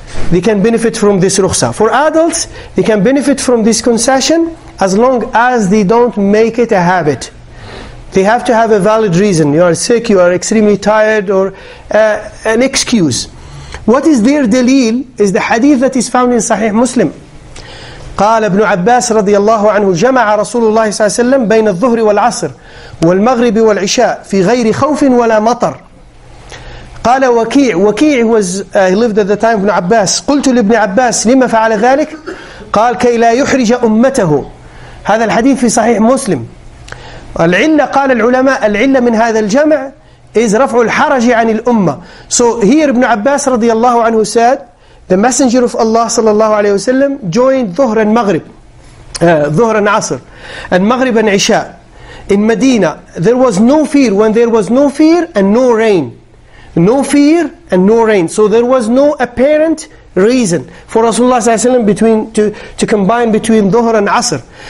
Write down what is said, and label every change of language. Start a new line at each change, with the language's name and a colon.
English: They can benefit from this rukhsa. For adults, they can benefit from this concession as long as they don't make it a habit. They have to have a valid reason. You are sick, you are extremely tired, or an excuse. What is their dalil is the hadith that is found in Sahih Muslim.
Arabic: قال ابن عباس رضي الله عنه جمع رسول الله صلى الله عليه وسلم بين الظهر والعصر والمغرب والعشاء في غير خوف ولا مطر. قال وكيع, وكيع
English: was he lived at the time of
Arabic: ابن عباس. قلت لابن عباس لما فعل ذلك؟ قال كي لا يحرج أمته. هذا الحديث في صحيح مسلم. العلة قال العلماء العلة من هذا الجمع is رفع الحرج عن الأمة.
English: So here ابن عباس رضي الله عنه said the messenger of Allah sallallahu alayhi wa sallam joined Dhuhr and Maghrib, Dhuhr and Asr, and Maghrib and Isha in Medina. There was no fear when there was no fear and no rain. No fear and no rain. So there was no apparent reason for Rasulullah sallallahu alayhi wa sallam to combine between Dhuhr and Asr.